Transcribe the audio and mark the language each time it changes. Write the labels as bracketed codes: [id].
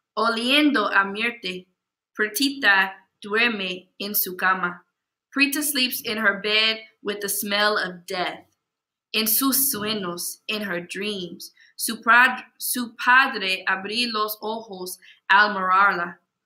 [es] Oliendo a muerte, Pretita duerme en su cama. [en] Prita sleeps in her bed with the smell of death. [es] En sus sueños, [en] in her dreams, [es] su padre abre los ojos al mirarla.